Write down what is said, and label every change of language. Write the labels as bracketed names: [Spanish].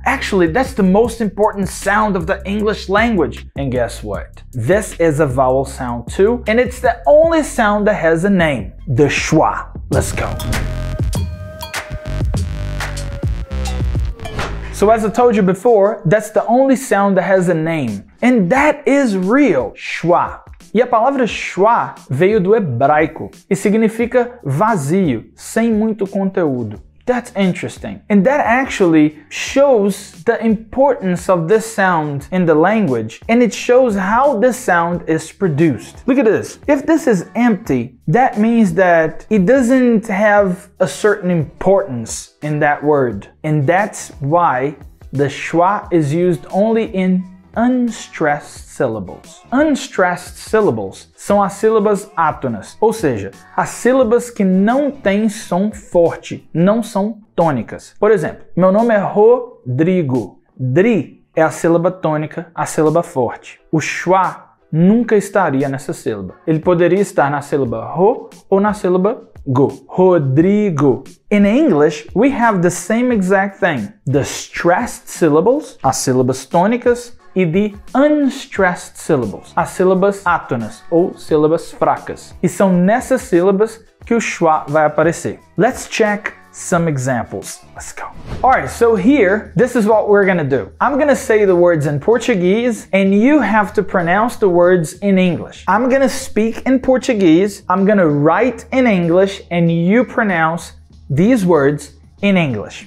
[English] Actually, that's the most important sound of the English language. And guess what? This is a vowel sound too. And it's the only sound that has a name. The schwa. Let's go. So as I told you before, that's the only sound that has a name. And that is real, schwa. [Portuguese] E a palavra schwa veio do hebraico e significa vazio, sem muito conteúdo. [English] That's interesting. And that actually shows the importance of this sound in the language, and it shows how this sound is produced. Look at this. If this is empty, that means that it doesn't have a certain importance in that word. And that's why the schwa is used only in unstressed syllables. [Portuguese] Unstressed syllables são as sílabas átonas, ou seja, as sílabas que não têm som forte, não são tônicas. Por exemplo, meu nome é Rodrigo. Dri é a sílaba tônica, a sílaba forte. O schwa nunca estaria nessa sílaba. Ele poderia estar na sílaba ro ou na sílaba go. Rodrigo. [English] In English, we have the same exact thing. The stressed syllables, [Portuguese] as sílabas tônicas, e de unstressed syllables, as sílabas átonas, ou sílabas fracas. E são nessas sílabas que o schwa vai aparecer. [English] Let's check some examples. Let's go. Alright, so here, this is what we're gonna do. I'm gonna say the words in Portuguese, and you have to pronounce the words in English. I'm gonna speak in Portuguese, I'm gonna write in English, and you pronounce these words in English.